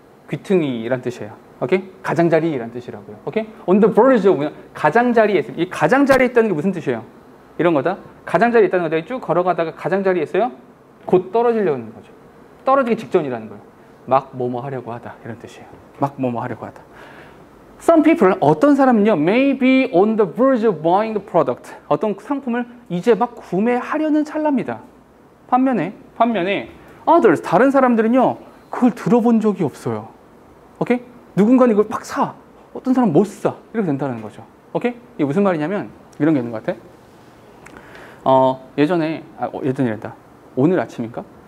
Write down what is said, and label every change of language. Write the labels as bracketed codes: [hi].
[ko] 귀퉁이란 뜻이에요. 오케이? 가장자리란 뜻이라고요. 오케이? [en] on the verge of [ko] 가장자리에 있어요. 이 가장자리에 있다는 게 무슨 뜻이에요? 이런 거다. 가장자리에 있다는 거다. 쭉 걸어가다가 가장자리에 있어요? 곧 떨어지려는 거죠. 떨어지기 직전이라는 거예요. 막 뭐뭐 하려고 하다 이런 뜻이에요. 막 뭐뭐 하려고 하다. [en] Some people [ko] 어떤 사람은요 [en] may be on the verge of buying the product. [ko] 어떤 상품을 이제 막 구매하려는 찰나입니다. 반면에 others 다른 사람들은요 그걸 들어본 적이 없어요. 오케이? 누군가는 이걸 막 사. 어떤 사람 못 사. 이렇게 된다는 거죠. 오케이? 이게 무슨 말이냐면 이런 게 있는 것 같아. 예전이랬다. 오늘 아침인가?